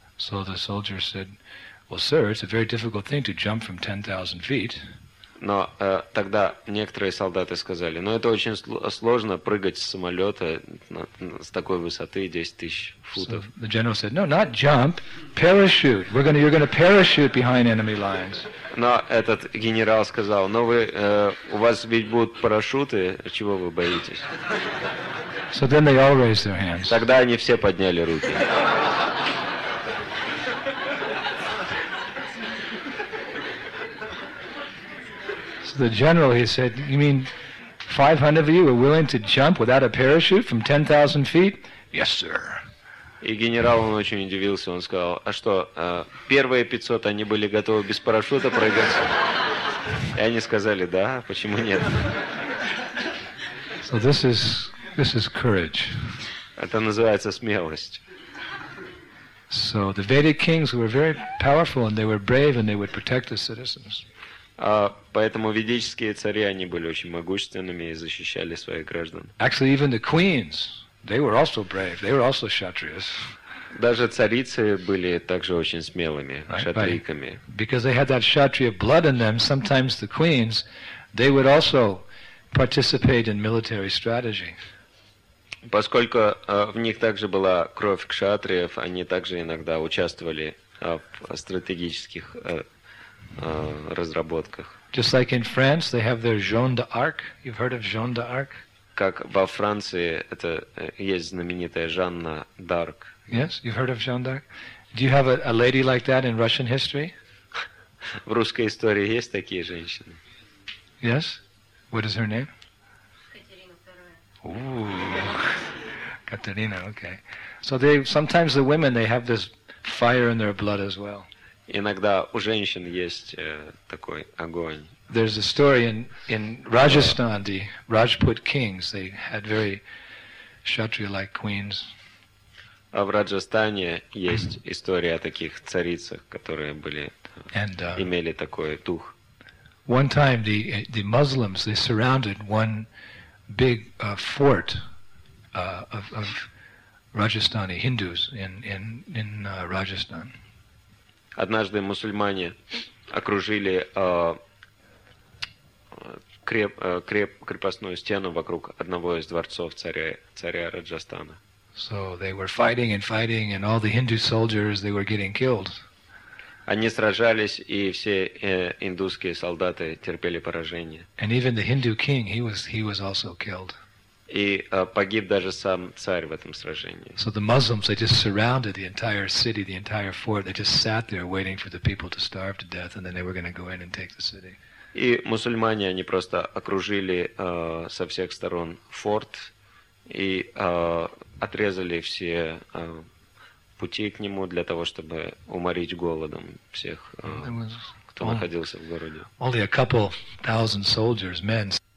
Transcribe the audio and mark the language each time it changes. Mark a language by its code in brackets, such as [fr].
[en] So the soldier said, well, sir, it's a very difficult thing to jump from 10,000 feet. [ru] Но тогда некоторые солдаты сказали, ну, это очень сложно прыгать с самолета с такой высоты 10 тысяч футов. [en] So the general said, no, not jump, parachute. You're going to parachute behind enemy lines. [ru] Но этот генерал сказал, ну, у вас ведь будут парашюты, чего вы боитесь? [en] So then they all raised their hands. [ru] Тогда они все подняли руки. [en] The general, he said, you mean 500 of you are willing to jump without a parachute from 10,000 feet? Yes, sir. [ru] И генерал, он очень удивился, он сказал, а что, первые 500, они были готовы без парашюта прыгать? И они сказали, да, почему нет? [en] So this is courage. [ru] Это называется смелость. [en] So the Vedic kings were very powerful and they were brave and they would protect the citizens. [ru] Поэтому ведические цари, они были очень могущественными и защищали своих граждан. [en] Actually, even the queens, they were also brave, they were also kshatriyas. [ru] Даже царицы были также очень смелыми, кшатрийками. [en] Because they had that kshatriya blood in them, sometimes the queens, they would also participate in military strategy. [ru] Поскольку в них также была кровь кшатриев, они также иногда участвовали в стратегических разработках. [en] Just like in France, they have their Jeanne d'Arc. You've heard of Jeanne d'Arc? [ru] Как во Франции это есть знаменитая Жанна д'Арк. [en] Yes, you've heard of Jeanne d'Arc. Do you have a lady like that in Russian history? [ru] В русской истории есть такие женщины? [en] Yes. What is her name? [ru] Катерина [en] II. Ooh, Катерина. Okay. So they sometimes the women they have this fire in their blood as well. [ru] Иногда у женщин есть такой огонь. [en] There's a story in Rajasthan, the Rajput kings, they had very kshatriya-like queens. [ru] А в Раджастане есть история о таких царицах, которые были имели такой дух. [en] One time the Muslims they surrounded one big fort of Rajasthani Hindus in Rajasthan. [ru] Однажды мусульмане окружили крепостную стену вокруг одного из дворцов царя Раджастана. [en] So they were fighting, and all the Hindu soldiers they were getting killed. [ru] Они сражались, и все индусские солдаты терпели поражение. [en] And even the Hindu king he was also killed. [ru] И погиб даже сам царь в этом сражении. [en] So the Muslims, they just surrounded the entire city, the entire fort. They just sat there waiting for the people to starve to death, and then they were going to go in and take the city. [ru] И мусульмане, они просто окружили со всех сторон форт и отрезали все пути к нему для того, чтобы уморить голодом всех, кто находился в городе. [en] Only a couple thousand soldiers, men.